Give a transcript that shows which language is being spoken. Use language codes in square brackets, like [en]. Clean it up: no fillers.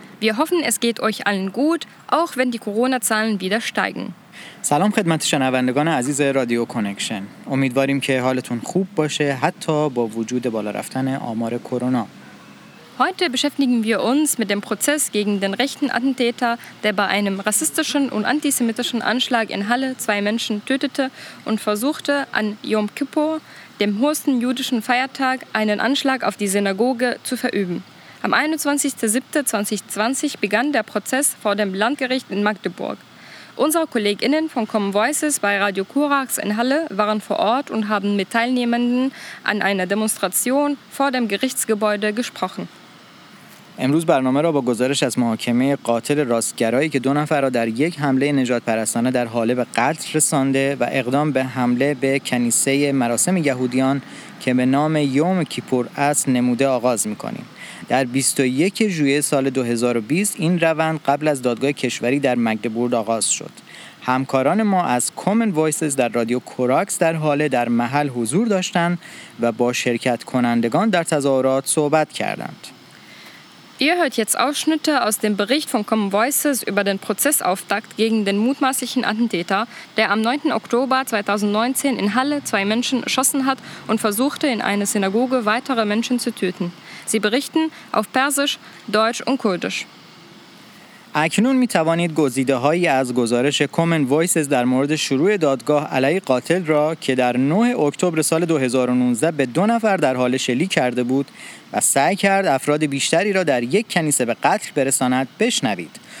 [de] Wir hoffen, es geht euch allen gut, auch wenn die Corona-Zahlen wieder steigen. [fa] سلام خدمت شنوندگان عزیز رادیو کانکشن. امیدواریم که حالتون خوب باشه حتی با وجود بالا رفتن آمار کرونا. [de] Heute beschäftigen wir uns mit dem Prozess gegen den rechten Attentäter, der bei einem rassistischen und antisemitischen Anschlag in Halle zwei Menschen tötete und versuchte, an Yom Kippur, dem höchsten jüdischen Feiertag, einen Anschlag auf die Synagoge zu verüben. Am 21.07.2020 begann der Prozess vor dem Landgericht in Magdeburg. Unsere KollegInnen von Common Voices bei Radio Kurax in Halle waren vor Ort und haben mit Teilnehmenden an einer Demonstration vor dem Gerichtsgebäude gesprochen. [fa] امروز برنامه را با گزارش از محاکمه قاتل راستگرایی که دو نفر را در یک حمله نژادپرستانه در حاله به قتل رسانده و اقدام به حمله به کنیسه مراسم یهودیان که به نام یوم کیپور است نموده آغاز می‌کنیم. در 21 ژوئیه سال 2020 این روند قبل از دادگاه کشوری در مگدبورگ آغاز شد. همکاران ما از Common Voices در رادیو کوراکس در حاله در محل حضور داشتند و با شرکت کنندگان در تظاهرات صحبت کردند. [de] Ihr hört jetzt Ausschnitte aus dem Bericht von Common Voices über den Prozessauftakt gegen den mutmaßlichen Attentäter, der am 9. Oktober 2019 in Halle zwei Menschen erschossen hat und versuchte, in einer Synagoge weitere Menschen zu töten. Sie berichten auf Persisch, Deutsch und Kurdisch. [fa] اکنون می توانید گزیده‌هایی از گزارش Common Voices در مورد شروع دادگاه علیه قاتل را که در 9 اکتبر سال 2019 به دو نفر در حال شلیک کرده بود و سعی کرد افراد بیشتری را در یک کنیسه به قتل برساند بشنوید.